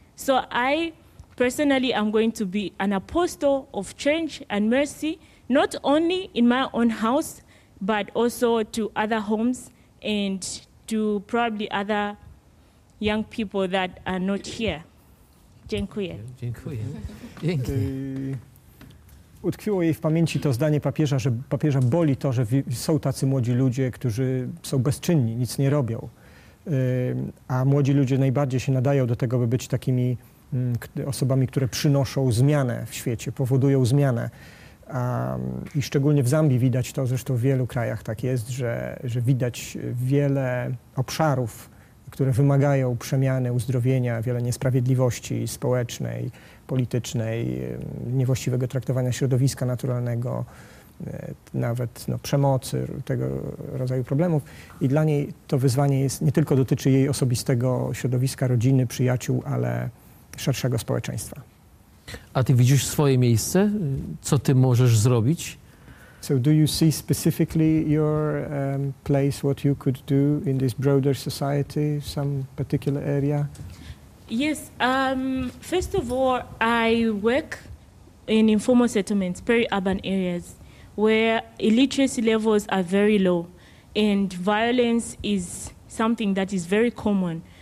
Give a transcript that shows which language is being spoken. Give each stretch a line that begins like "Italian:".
English: So I personally am going to be an apostle of change and mercy, not only in my own house, but also to other homes and to probably other young people that are not here.
Polish: Dziękuję. Dziękuję. Dzięki. Utkwiło jej w pamięci to zdanie papieża, że papieża boli to, że są tacy młodzi ludzie, którzy są bezczynni, nic nie robią. A młodzi ludzie najbardziej się nadają do tego, by być takimi osobami, które przynoszą zmianę w świecie, powodują zmianę. I szczególnie w Zambii widać to, zresztą w wielu krajach tak jest, że widać wiele obszarów, które wymagają przemiany, uzdrowienia, wiele niesprawiedliwości społecznej, politycznej, niewłaściwego traktowania środowiska naturalnego, nawet no, przemocy, tego rodzaju problemów. I dla niej to wyzwanie jest nie tylko dotyczy jej osobistego środowiska, rodziny, przyjaciół, ale szerszego społeczeństwa. A ty widzisz swoje miejsce? Co ty możesz zrobić?
English: So do you see specifically your place, what you could do in this broader society, some particular area? Yes. First of all, I work in informal settlements, peri-urban areas, where illiteracy levels are very low and violence is something that is very common.